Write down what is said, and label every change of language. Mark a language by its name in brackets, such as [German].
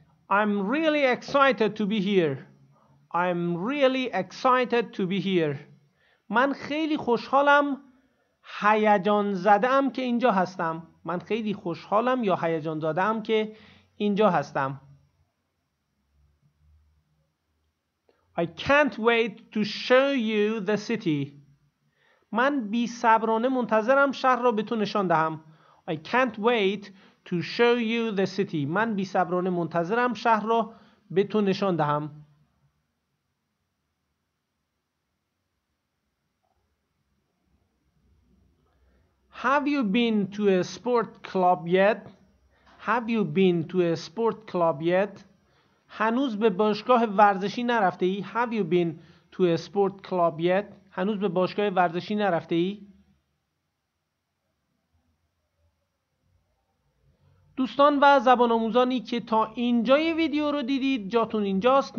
[English] I'm really excited to be here. I'm really excited to be here. [Persian] من خیلی خوشحالم هیجان زده ام که اینجا هستم. من خیلی خوشحالم یا هیجان زده ام که اینجا هستم. [English] I can't wait to show you the city. [Persian] من بی صبرانه منتظرم شهر را به تو نشان دهم. [English] I can't wait to show you the city. [Persian] من بی صبرانه منتظرم شهر را به تو نشان دهم. [English] Have you been to a sport club yet? Have you been to a sport club yet? [Persian] هنوز به باشگاه ورزشی نرفته ای؟ [English] Have you been to a sport club yet? [Persian] هنوز به باشگاه ورزشی نرفته ای؟ دوستان و زبان آموزانی که تا اینجای ویدیو رو دیدید، جاتون اینجاست.